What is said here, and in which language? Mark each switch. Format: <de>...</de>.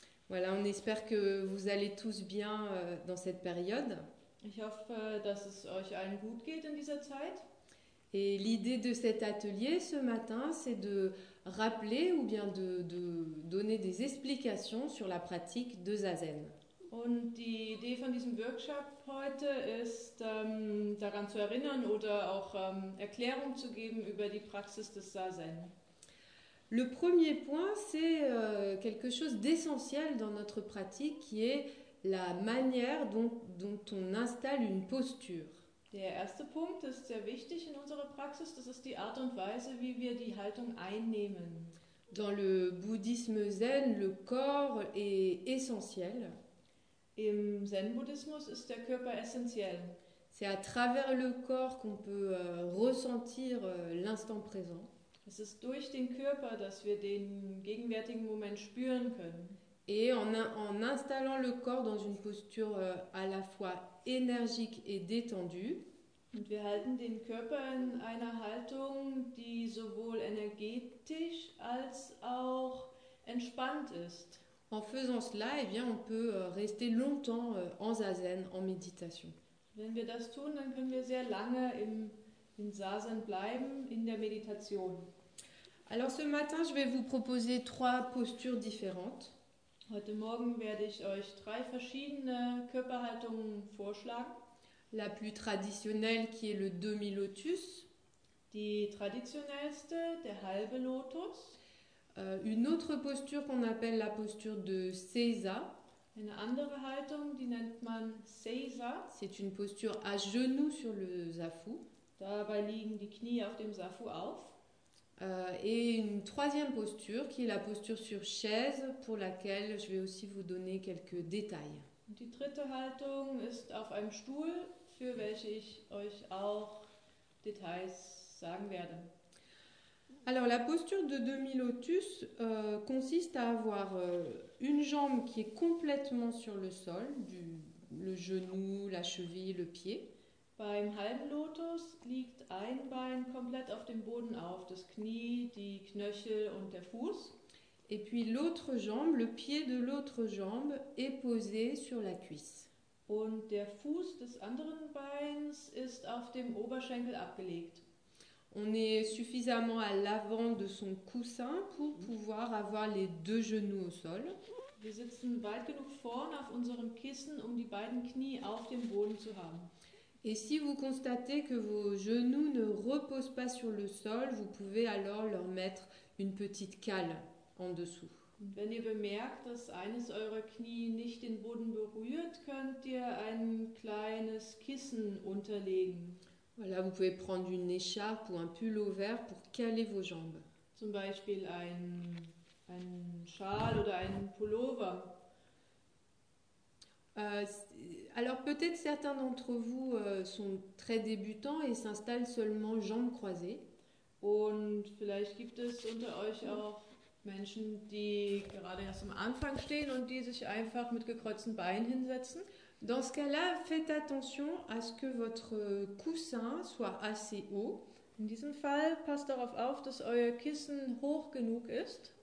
<fr>Voilà, on espère que vous allez tous bien dans cette période.</fr> <de>Ich hoffe, dass es euch allen gut geht in dieser Zeit.</de> <fr>Et l'idée de cet atelier ce matin, c'est de rappeler ou bien de donner des explications sur la pratique de Zazen.</fr> <de>Und die Idee von diesem Workshop heute ist, daran zu erinnern oder auch Erklärung zu geben über die Praxis des Zazen.</de> <fr>Le premier point, c'est quelque chose d'essentiel dans notre pratique qui est la manière dont on installe une posture.</fr> <de>Der erste Punkt ist sehr wichtig in unserer Praxis, das ist die Art und Weise, wie wir die Haltung einnehmen.</de> <fr>Dans le bouddhisme zen, le corps est essentiel.</fr> <de>Im Zen-Bouddhismus ist der Körper essentiell.</de> <fr>C'est à travers le corps qu'on peut ressentir l'instant présent.</fr> <de>Es ist durch den Körper, dass wir den gegenwärtigen Moment spüren können.</de> <fr>Et en installant le corps dans une posture à la fois énergique et détendue.</fr> <de>Und wir halten den Körper in einer Haltung, die sowohl energetisch als auch entspannt ist.</de> <fr>En faisant cela, eh bien, on peut rester longtemps en zazen, en méditation.</fr> <de>Wenn wir das tun, dann können wir sehr lange in zazen bleiben, in der Meditation.</de> <fr>Alors ce matin, je vais vous proposer trois postures différentes.</fr> <de>Heute Morgen werde ich euch drei verschiedene Körperhaltungen vorschlagen.</de> <fr>La plus traditionnelle qui est le demi-lotus.</fr> <de>Die traditionellste, der halbe Lotus.</de> <fr>Une autre posture qu'on appelle la posture de Seiza.</fr> <de>Eine andere Haltung, die nennt man Seiza.</de> <fr>C'est une posture à genoux sur le Zafu.</fr> <de>Dabei liegen die Knie auf dem Zafu auf.</de> <fr>Et une troisième posture qui est la posture sur chaise pour laquelle je vais aussi vous donner quelques détails.</fr> <de>Die dritte Haltung ist auf einem Stuhl, für welche ich euch auch Details sagen werde.</de> <fr>Alors la posture de demi-lotus consiste à avoir une jambe qui est complètement sur le sol, le genou, la cheville, le pied.</fr> <de>Beim halben Lotus liegt ein Bein komplett auf dem Boden auf, das Knie, die Knöchel und der Fuß.</de> <fr>Et puis l'autre jambe, le pied de l'autre jambe est posé sur la cuisse.</fr> <de>Und der Fuß des anderen Beins ist auf dem Oberschenkel abgelegt.</de> <fr>On est suffisamment à l'avant de son coussin pour pouvoir avoir les deux genoux au sol.</fr> <de>Wir sitzen weit genug vorne auf unserem Kissen, um die beiden Knie auf dem Boden zu haben.</de> <fr>Et si vous constatez que vos genoux ne reposent pas sur le sol, vous pouvez alors leur mettre une petite cale en dessous.</fr> <de>Und wenn ihr bemerkt, dass eines eurer Knie nicht den Boden berührt, könnt ihr ein kleines Kissen unterlegen.</de> <fr>Voilà, vous pouvez prendre une écharpe ou un pullover pour caler vos jambes.</fr> <de>Zum Beispiel ein Schal oder ein Pullover.</de> <fr>Alors peut-être certains d'entre vous sont très débutants et s'installent seulement jambes croisées.</fr> <de>Und vielleicht gibt es unter euch auch Menschen, die gerade erst am Anfang stehen und die sich einfach mit gekreuzten Beinen hinsetzen.</de> <fr>Dans ce cas-là, faites attention à ce que votre coussin soit assez haut.</fr> <de>In diesem Fall passt darauf auf, dass euer Kissen hoch genug ist,</de>